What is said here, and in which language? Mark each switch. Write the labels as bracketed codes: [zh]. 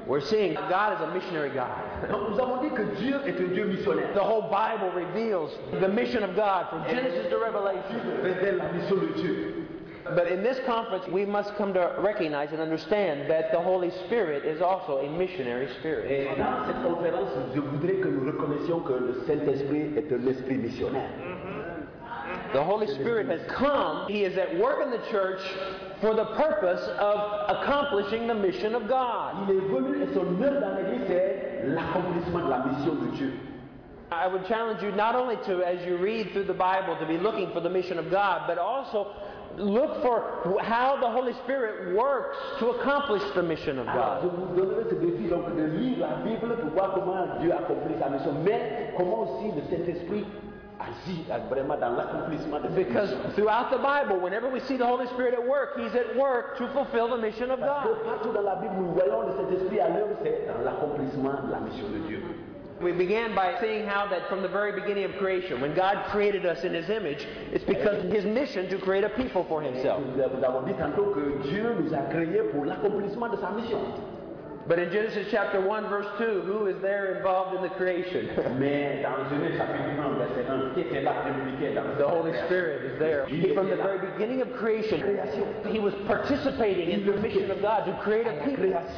[en] We're seeing God is a missionary God. The whole Bible reveals the mission of God from Genesis to Revelation. But in this conference, we must come to recognize and understand that the Holy Spirit is also a missionary spirit. [fr] Et dans cette conférence, je voudrais que nous reconnaissions que le Saint-Esprit est un esprit missionnaire. [en] The Holy Spirit has come. He is at work in the church for the purpose of accomplishing the mission of God. [fr] Il est venu et son œuvre dans l'église, c'est l'accomplissement de la mission de Dieu. [en] I would challenge you not only to, as you read through the Bible, to be looking for the mission of God, but also look for how the Holy Spirit works to accomplish the mission of God. [fr] Alors, je vous donnerai ce défi, donc, de lire la Bible pour voir comment Dieu accomplit sa mission, mais comment aussi le Saint-Esprit agit vraiment dans l'accomplissement de cette mission. [en] Because throughout the Bible, whenever we see the Holy Spirit at work, He's at work to fulfill the mission of God. [fr] Parce que partout dans la Bible, nous voyons le Saint-Esprit à l'œuvre, c'est dans l'accomplissement de la mission de Dieu. [en] We began by seeing how that from the very beginning of creation, when God created us in His image, it's because of His mission to create a people for Himself. [fr] Nous avons dit tantôt que Dieu nous a créés pour l'accomplissement de sa mission. [en] But in Genesis chapter 1, verse 2, who is there involved in the creation? The Holy Spirit is there. From the very beginning of creation, He was participating in the mission of God to create a people.